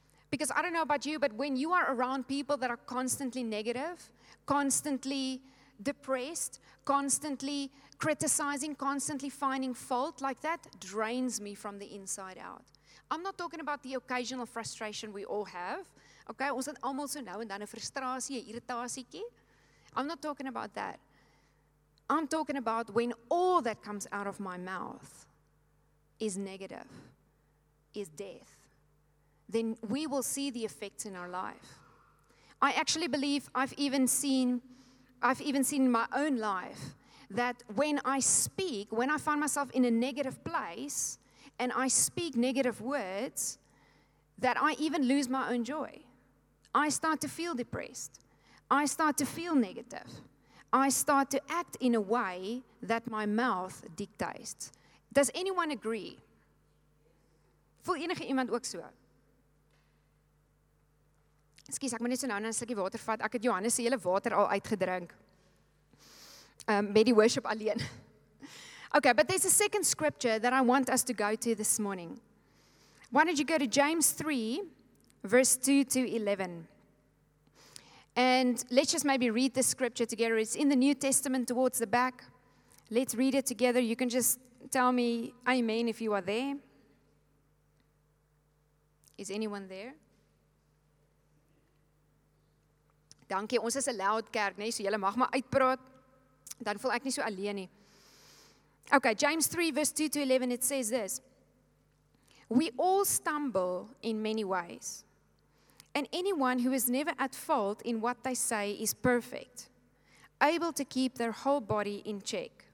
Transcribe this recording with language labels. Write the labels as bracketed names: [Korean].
[English] Because I don't know about you, but when you are around people that are constantly negative, constantly depressed, constantly criticizing, constantly finding fault, like that drains me from the inside out. I'm not talking about the occasional frustration we all have. [Afrikaans] Okay, ons het almal so nou en dan 'n frustrasie, 'n irritasietjie. [English] I'm not talking about that. I'm talking about when all that comes out of my mouth is negative, is death, then we will see the effects in our life. I actually believe I've even seen in my own life that when I speak, when I find myself in a negative place and I speak negative words, that I even lose my own joy. I start to feel depressed. I start to feel negative. I start to act in a way that my mouth dictates. Does anyone agree? [Afrikaans] Voel enige iemand ook so? Skus, ek moet net so nou 'n slukkie water vat. Ek het Johannes se hele water al uitgedrink. Met die worship alleen. [English] Okay, but there's a second scripture that I want us to go to this morning. Why don't you go to James 3, verse 2 to 11? And let's just maybe read this scripture together. It's in the New Testament towards the back. Let's read it together. You can just tell me amen if you are there. Is anyone there? [Afrikaans] Dankie, ons is 'n loud kerk, nee, so julle mag maar uitpraat. dan voel ek nie so alleen nie. [English] Okay, James 3 verse 2 to 11, it says this. We all stumble in many ways. And anyone who is never at fault in what they say is perfect, able to keep their whole body in check.